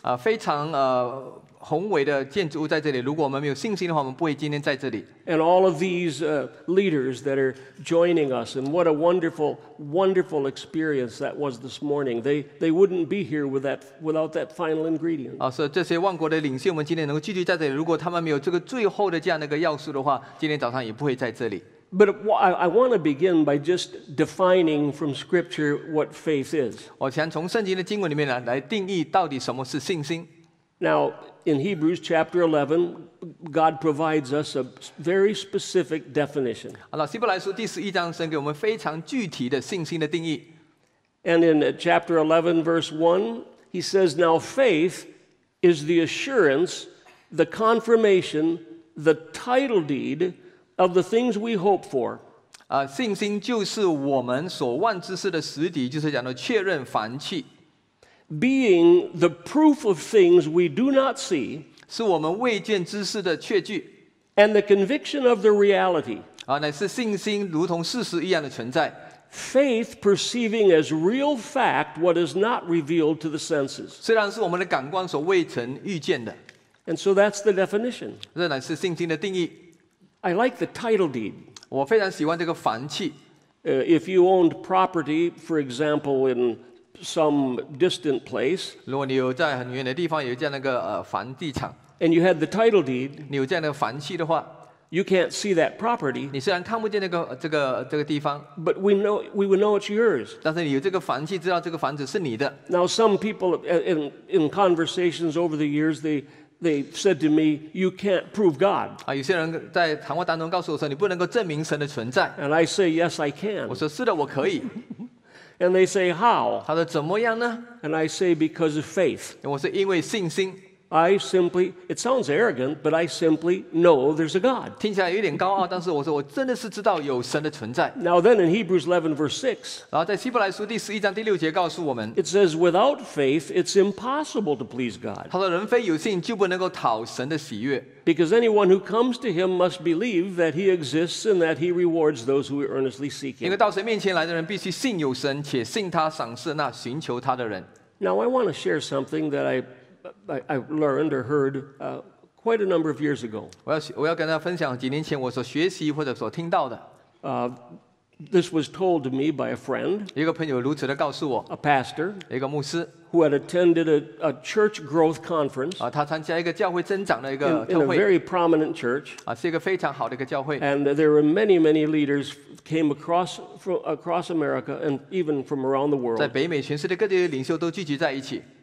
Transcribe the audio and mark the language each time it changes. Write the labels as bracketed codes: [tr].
[zh] 非常宏伟的建筑物在这里，如果我们没有信心的话，我们不会今天在这里。 [en] And all of these leaders that are joining us, and what a wonderful, wonderful experience that was this morning. They wouldn't be here without that final ingredient. [zh] 所以这些万国的领袖们今天能够聚集在这里，如果他们没有这个最后的这样的一个要素的话，今天早上也不会在这里。 [en] But I want to begin by just defining from Scripture what faith is. [zh] 我想从圣经的经文里面来定义到底什么是信心。 [en] Now, in Hebrews chapter 11, God provides us a very specific definition. [zh] 希伯来书第十一章神给我们非常具体的信心的定义。 [en] And in chapter 11, verse 1, he says, Now faith is the assurance, the confirmation, the title deed of the things we hope for. [zh] 信心就是我们所望之事的实底，就是讲到确认凡器。 [en] Being the proof of things we do not see, [zh] 是我们未见之事的确据。 [en] And the conviction of the reality, [zh] 乃是信心如同事实一样的存在。 [en] Faith perceiving as real fact what is not revealed to the senses. [zh] 虽然是我们的感官所未曾遇见的。 [en] And so that's the definition. [zh] 这乃是信心的定义。 [en] I like the title deed. [zh] 我非常喜欢这个凡契。 [en] If you owned property, for example, in some distant place, [zh] 如果你有在很远的地方有这样的一个房地产。 [en] And you had the title deed. [zh] 你有这样的凡契的话。 [en] You can't see that property. [zh] 你虽然看不见那个这个地方 [en] ，but we would know it's yours. [zh] 但是你有这个房契，知道这个房子是你的。 [en] Now some people in conversations over the years they said to me, "You can't prove God." [zh] 有些人在谈话当中告诉我说，你不能够证明神的存在。 [en] And I say, "Yes, I can." [zh] 我说是的，我可以。 [en] And they say, "How?" [zh] 他说怎么样呢 [en] ？And I say, "Because of faith." [zh] 我说因为信心。 [en] I simply, it sounds arrogant, but I simply know there's a God. [zh] 听起来有点高傲，但是我说我真的是知道有神的存在。 [en] Now then in Hebrews 11 verse 6, [zh] 然后在希伯来书第十一章第六节告诉我们 [en] it says, without faith, it's impossible to please God. [zh] 他说人非有信就不能够讨神的喜悦。 [en] Because anyone who comes to him must believe that he exists and that he rewards those who earnestly seek him. [zh] 因为到神面前来的人必须信有神，且信他赏赐那寻求他的人。 [en] Now I want to share something that I learned or heard quite a number of years ago. [zh] 我要跟大家分享几年前我所学习或者所听到的。 [en] This was told to me by a friend. [zh] 一个朋友如此的告诉我。 [en] A pastor. [zh] 一个牧师。 [en] Who had attended a church growth conference. [zh] 他参加一个教会增长的一个特会。 [en] In a very prominent church. [zh] 是一个非常好的一个教会。 [en] And there were many leaders came across America and even from around the world. [zh] 在北美全世界各地的领袖都聚集在一起。